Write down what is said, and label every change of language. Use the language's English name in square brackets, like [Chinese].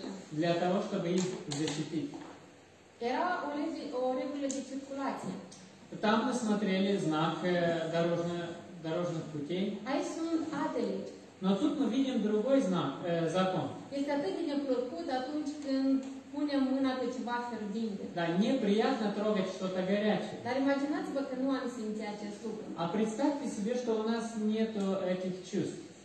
[Russian] Для того, чтобы их защитить. [Romanian] Era o regulă de circulație. [Russian] Там мы смотрели знак дорожных путей. [Romanian] Aici sunt adele. [Russian] Но тут мы видим другой знак, закон. [Romanian] Este atât de neplăcut atunci când punem mâna pe ceva fierbinte. [Russian] Да, неприятно трогать что-то горячее. [Romanian] Dar imaginați-vă că nu am simțit acest lucru. [Russian] А представьте себе, что у нас нет этих чувств.